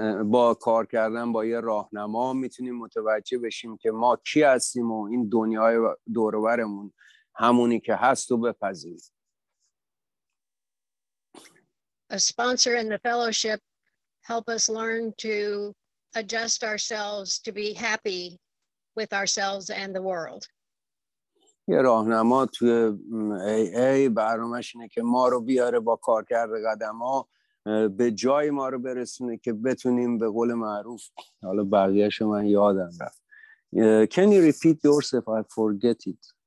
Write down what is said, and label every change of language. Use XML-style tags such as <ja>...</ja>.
<fa>با کار کردن با یه راهنما میتونیم متوجه بشیم که ما کی هستیم و این دنیای دور و برمون همونی که هست و بپذیریم.</fa> <en>A sponsor and the fellowship help us learn to adjust ourselves to be happy with ourselves and the world.</en> <fa>یه راهنما توی AA برنامه‌ش اینه که ما رو بیاره با کار کرده قدم ها به جای ما رو برسونه که بتونیم به قول معروف حالا بقیهش رو من یادم رفت.</fa> <en>Can you repeat yours if I forget it?</en>